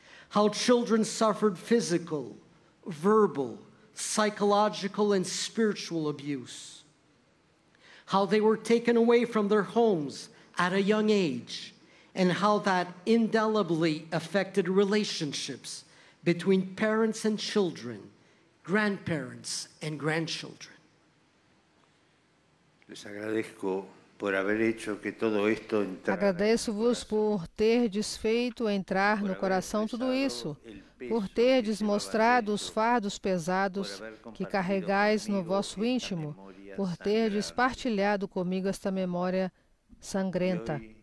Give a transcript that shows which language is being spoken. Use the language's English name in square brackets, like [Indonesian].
[English] How children suffered physical, verbal, psychological, and spiritual abuse. How they were taken away from their homes at a young age, and how that indelibly affected relationships between parents and children, grandparents and grandchildren. [Spanish] Les agradezco por haber hecho que todo esto entrara. [Portuguese] Agradeço-vos por terdes feito entrar no coração tudo isso, por terdes mostrado os fardos pesados que carregais no vosso íntimo, por terdes partilhado comigo esta memória sangrenta.